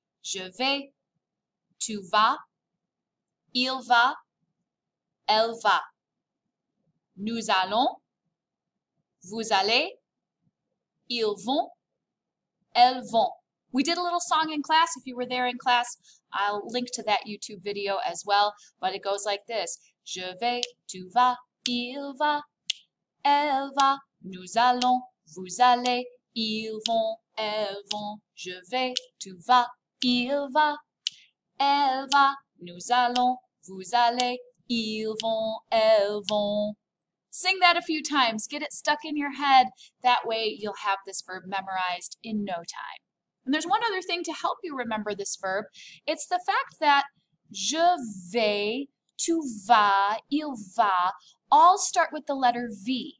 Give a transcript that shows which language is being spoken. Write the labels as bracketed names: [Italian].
[French] Je vais, tu vas, il va, elle va. Nous allons, vous allez, ils vont, elles vont. [English] We did a little song in class. If you were there in class, I'll link to that YouTube video as well. But it goes like this. [French] Je vais, tu vas, il va, elle va. Nous allons, vous allez, ils vont, elles vont. Je vais, tu vas, il va, elle va. Nous allons, vous allez, ils vont, elles vont. [English] Sing that a few times. Get it stuck in your head. That way you'll have this verb memorized in no time. And there's one other thing to help you remember this verb. It's the fact that [French] je vais, tu vas, il va, [English] all start with the letter V.